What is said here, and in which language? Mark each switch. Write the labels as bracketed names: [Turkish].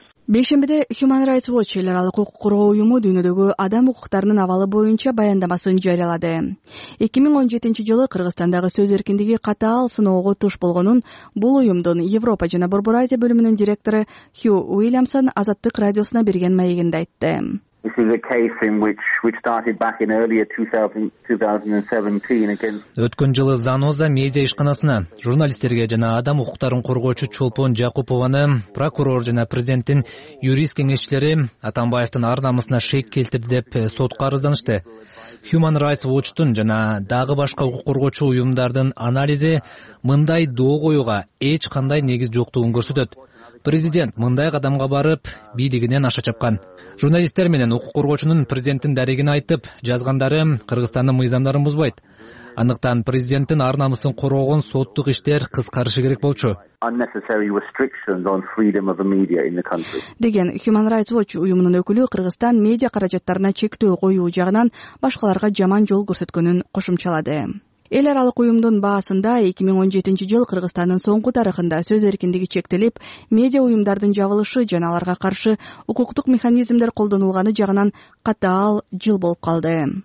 [Kyrgyz] Бейшембиде Human Rights Watch эл аралык укук коргоо уюму дүйнөдөгү адам укуктарынын абалы боюнча баяндамасын жарыялады. 2017 жылы Кыргызстандагы сөз эркиндиги катаал сыноого туш болгонун бул уюмдун Европа жана Борбор Азия бөлүмүнүн директору Хью Уильямсон Азаттык радиосуна берген маегинде айтты. [English] This is a case in which started back in earlier 2017 against [Kyrgyz] өткөн жылы Заноза медиа ишканасына журналисттерге жана адам укуктарын коргоочу Чолпон Жакупованы прокурор жана президенттин юрист кеңешчилери Атамбаевдин ар намысына шек келтирди деп сотко арызданышты. Human Rights Watch'тун жана дагы башка укук коргоочу уюмдардын анализи мындай доо коюуга эч кандай негиз жоктугун көрсөтөт. Президент мындай кадамга барып бийлигинен аша чапкан. Журналисттер менен укук коргоочунун президенттин дарегин айтып жазгандары Кыргызстандын мыйзамдарын бузбайт. Андыктан президенттин ар намысын коргогон соттук иштер кыскарышы керек болчу. [English] Unnecessary restrictions on freedom of the media in the country. [Kyrgyz] Деген Human Rights Watch уюмунун өкүлү Кыргызстан медиа каражаттарына чектөө коюу жагынан башкаларга жаман жол көрсөткөнүн кошумчалады. Эл аралык уюмдун баасында 2017 жыл Кыргызстандын соңку тарыхында сөз эркиндиги чектелип, медиа уюмдардын жабылышы жана аларга каршы укуктук механизмдер колдонулганы жагынан катаал жыл болуп калды.